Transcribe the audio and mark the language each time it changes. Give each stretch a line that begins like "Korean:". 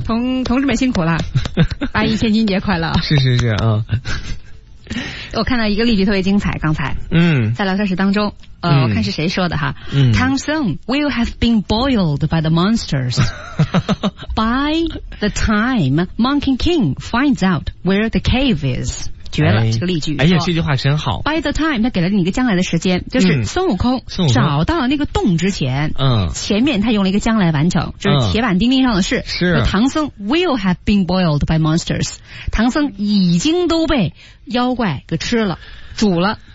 Chinese: 同志们辛苦了，八一千金节快乐，是是是啊，我看到一个例句特别精彩，刚才在聊天室当中，我看是谁说的哈
English: ，Tom Song will have been boiled by the monsters by the time Monkey King finds out where the cave is。
Chinese: 绝了、哎、这个例句，哎呀，这句话真好。
English: By the time，
Chinese: 他给了你一个将来的时间，就是孙悟空找到了那个洞之前，嗯，前面他用了一个将来完成，就是铁板钉钉上的事。是，唐僧
English: will have been boiled by monsters，
Chinese: 唐僧已经都被妖怪给吃了，煮了。